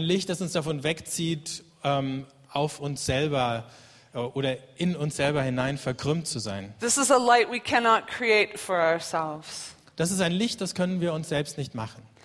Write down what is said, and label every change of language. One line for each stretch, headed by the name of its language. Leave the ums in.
German: Licht, das uns davon wegzieht, auf uns selber oder in uns selber hinein verkrümmt zu sein.
English: This is a light we cannot create for ourselves
German: das ist ein Licht, das können wir uns selbst nicht machen.